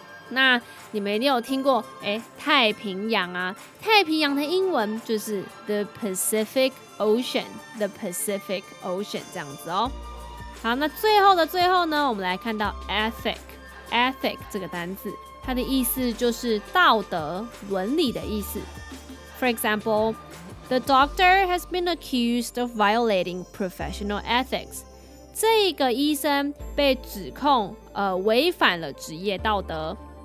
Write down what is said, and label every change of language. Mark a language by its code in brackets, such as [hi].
[zh] 那你们一定有听过太平洋啊，太平洋的英文就是 the pacific ocean 这样子哦。好，那最后的最后呢，我们来看到 ethic 这个单字，它的意思就是道德、伦理的意思。 [en] For example, the doctor has been accused of violating professional ethics. [zh] 这个医生被指控违反了职业道德。